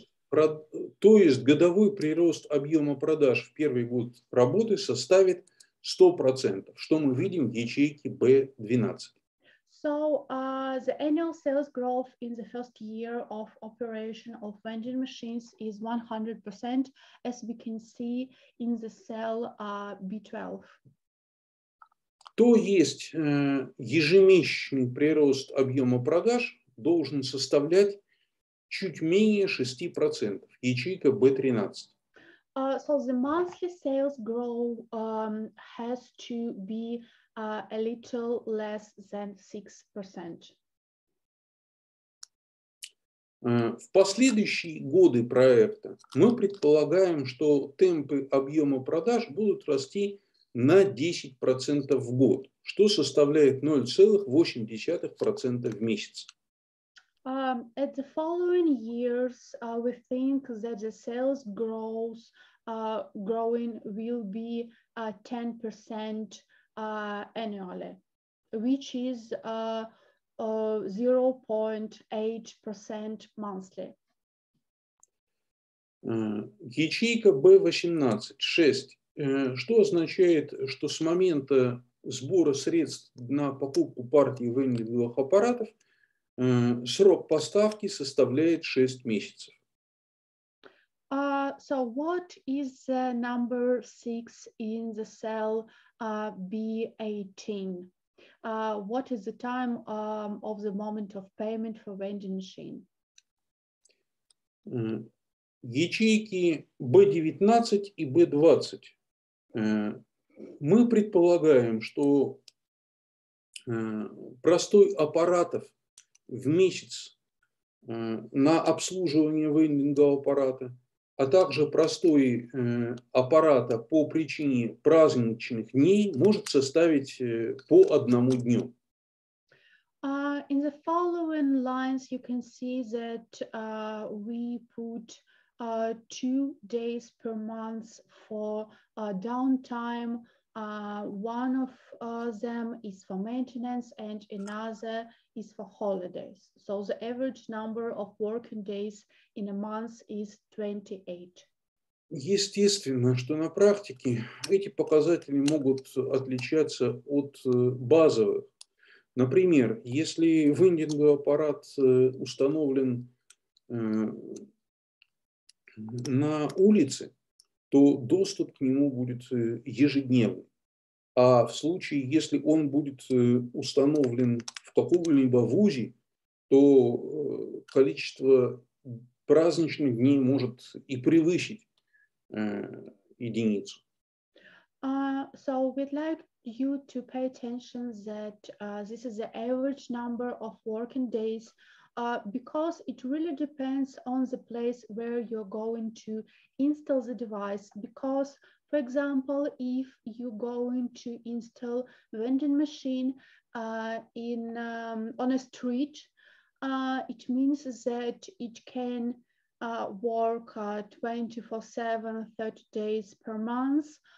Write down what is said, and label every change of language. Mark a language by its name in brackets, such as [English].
[Russian] То есть годовой прирост объема продаж в первый год работы составит 100%, что мы видим в ячейке B12. [English] So the annual sales growth in the first year of operation of vending machines is 100%, as we can see in the cell B12. [Russian] То есть ежемесячный прирост объема продаж должен составлять чуть менее 6%, ячейка B13. [English] So the monthly sales growth has to be a little less than 6%. [Russian] В последующие годы проекта мы предполагаем, что темпы объема продаж будут расти на 10% в год, что составляет 0,8% в месяц. [English] At the following years, we think that the sales growing will be 10% annually, which is 0.8% monthly. [Russian] Ячейка B18-6. Что означает, что с момента сбора средств на покупку партии вендинговых аппаратов срок поставки составляет 6 месяцев? [English] So what is the number 6 in the cell B18? What is the time of the moment of payment for vending machine? [Russian] Ячейки B19 и B20. Мы предполагаем, что простой аппаратов в месяц на обслуживание вендингового аппарата, а также простой аппарата по причине праздничных дней может составить по одному дню. [English] In the following lines you can see that we put 2 days per month for downtime. One of them is for maintenance and another is for holidays. So the average number of working days in a month is 28. [Russian] Естественно, что на практике эти показатели могут отличаться от базовых. Например, если вендинговый аппарат установлен на улице, то доступ к нему будет ежедневный. А в случае, если он будет установлен в каком-либо вузе, то количество праздничных дней может и превысить единицу. [English] So we'd like you to pay attention that this is the average number of working days because it really depends on the place where you're going to install the device. Because, for example, if you're going to install a vending machine on a street, it means that it can work 24/7, 30 days per month.